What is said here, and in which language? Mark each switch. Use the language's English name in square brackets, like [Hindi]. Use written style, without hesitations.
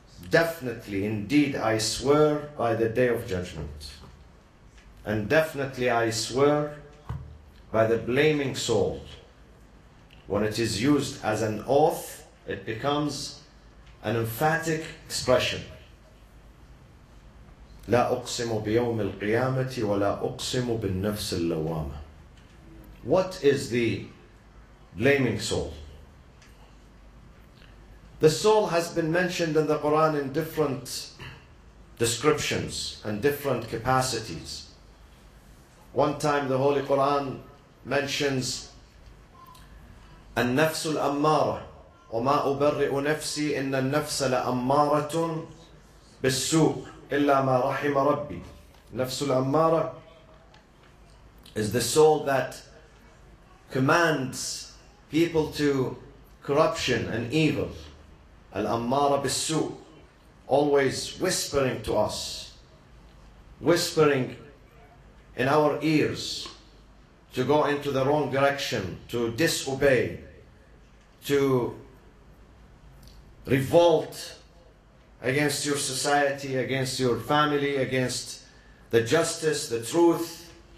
[English] Definitely, indeed, I swear by the Day of Judgment. And definitely I swear by the blaming soul. When it is used as an oath, it becomes an emphatic expression. [Arabic] لا أقسم بيوم القيامة ولا أقسم بالنفس اللوامة. [English] What is the blaming soul? The soul has been mentioned in the Quran in different descriptions and different capacities. One time the Holy Quran mentions [Arabic] النفس الأمارة وما أبرئ نفسي إن النفس لأمارة بالسوء إلا ما رحم ربي. [English] نفس الأمارة is the soul that commands people to corruption and evil. [Arabic] الأمارة بالسوء, [English] always whispering to us, whispering in our ears to go into the wrong direction, to disobey, to revolt against your society, against your family, against the justice, the truth.